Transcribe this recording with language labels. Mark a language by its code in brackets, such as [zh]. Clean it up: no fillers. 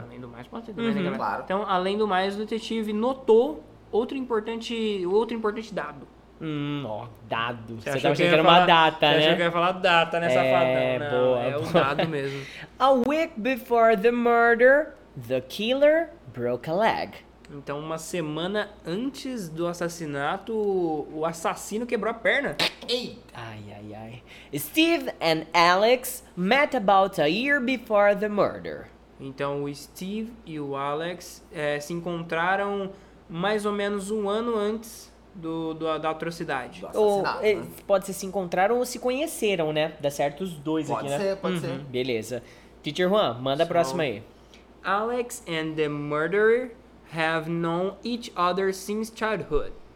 [pt] Além do mais, pode ser do mais, né, claro. Então, além do mais, o detetive notou outro importante dado. Dado. Você tava achando que era uma data, né? Você achou que ia falar data, né, safadão? É boa. O dado mesmo. [en] A week before the murder, the killer broke a leg. [pt] Então, uma semana antes do assassinato, o assassino quebrou a perna. [en] Ai, ai, ai. Steve and Alex met about a year before the murder. [pt] Então, o Steve e o Alex se encontraram mais ou menos um ano antes da atrocidade. Do assassinato. Ou, pode ser se encontraram ou se conheceram, né? Dá certo os dois pode aqui, ser, né? Pode ser, pode ser. Beleza. Teacher Juan, manda a próxima aí. [en] Alex and the murderer have known each other since childhood.